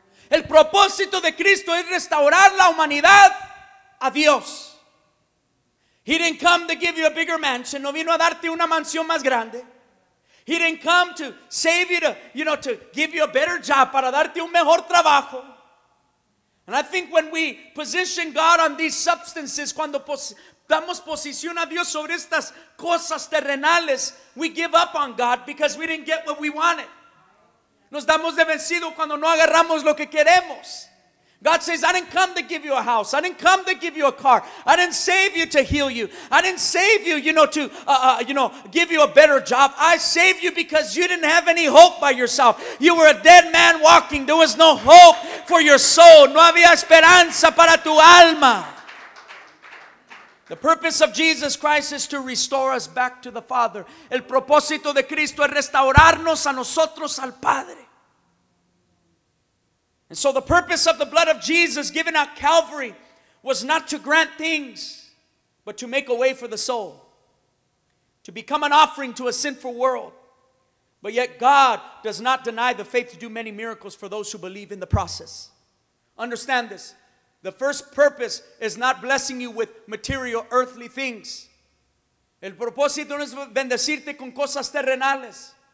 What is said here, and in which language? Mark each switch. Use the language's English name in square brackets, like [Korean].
[Spanish] El propósito de Cristo es restaurar la humanidad a Dios. [English] He didn't come to give you a bigger mansion. [Spanish] No vino a darte una mansión más grande. [English] He didn't come to save you, to give you a better job, [Spanish] para darte un mejor trabajo. [English] And I think when we position God on these substances, [Spanish] cuando damos posición a Dios sobre estas cosas terrenales, [English] we give up on God because we didn't get what we wanted. [Spanish] Nos damos de vencido cuando no agarramos lo que queremos. [English] God says, I didn't come to give you a house. I didn't come to give you a car. I didn't save you to heal you. I didn't save you, to give you a better job. I saved you because you didn't have any hope by yourself. You were a dead man walking. There was no hope for your soul. [Spanish] No había esperanza para tu alma. [English] The purpose of Jesus Christ is to restore us back to the Father. [Spanish] El propósito de Cristo es restaurarnos a nosotros al Padre. [English] And so the purpose of the blood of Jesus given at Calvary was not to grant things, but to make a way for the soul, to become an offering to a sinful world. But yet God does not deny the faith to do many miracles for those who believe in the process. Understand this. The first purpose is not blessing you with material, earthly things. [Spanish] El propósito no es bendecirte con cosas terrenales.